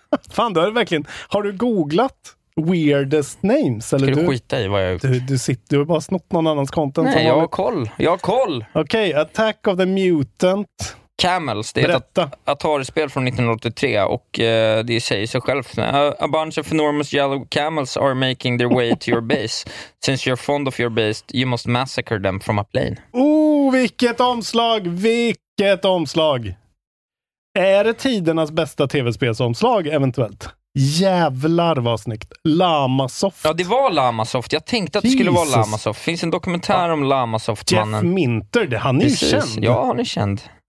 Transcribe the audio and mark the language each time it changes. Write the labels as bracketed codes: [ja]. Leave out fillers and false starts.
[sv] Fan, då är det verkligen. Har du googlat [en] weirdest names? [sv] Eller ska du skita i vad jag har gjort? Du har bara snott någon annans content. Nej, jag har koll. Jag har koll. Okej, okay, Attack of the Mutant Camels, det är berätta ett Atari-spel från 1983 och det säger sig själv. [en] A bunch of enormous yellow camels are making their way to your base. Since you're fond of your base, you must massacre them from a plane. [sv] Oh, vilket omslag! Vilket omslag! Är det tidernas bästa tv-spelsomslag eventuellt? Jävlar vad snyggt. Lamasoft. Ja, det var Lamasoft. Jag tänkte att det Jesus skulle vara Lamasoft. Finns en dokumentär om Lamasoft-mannen. Jeff Minter, det, han är precis känd. Ja, han är känd.